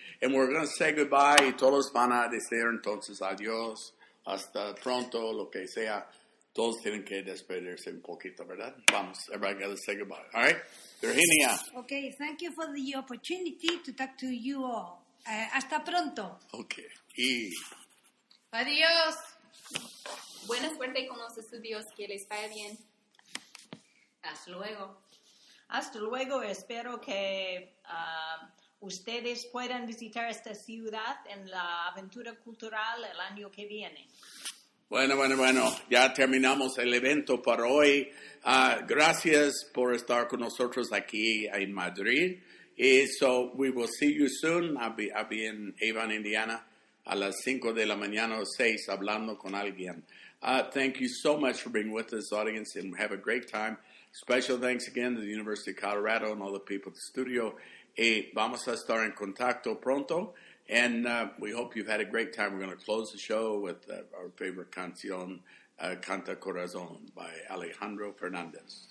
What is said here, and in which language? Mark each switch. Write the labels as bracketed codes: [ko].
[en] And we're going to say goodbye, [es] y todos van a decir entonces adiós, hasta pronto, lo que sea. Todos tienen que despedirse un poquito, ¿verdad? Vamos, [en] everybody got to say goodbye, all right? [es] Virginia. [en] Okay, thank you for the opportunity to talk to you all. [es] Hasta pronto. [en] Okay, [es] adiós. Buena suerte con los estudios, que les vaya bien. Hasta luego. Hasta luego, espero que ustedes puedan visitar esta ciudad en la aventura cultural el año que viene. Bueno, ya terminamos el evento para hoy. Gracias por estar con nosotros aquí en Madrid. Y [en] so we will see you soon. I'll be in Avon, Indiana, [es] a las 5 de la mañana o 6 hablando con alguien. [en] Thank you so much for being with us, audience, and have a great time. Special thanks again to the University of Colorado and all the people at the studio. [es] Y vamos a estar en contacto pronto, [en] and we hope you've had a great time. We're going to close the show with our favorite canción, Canta Corazón, by Alejandro Fernández.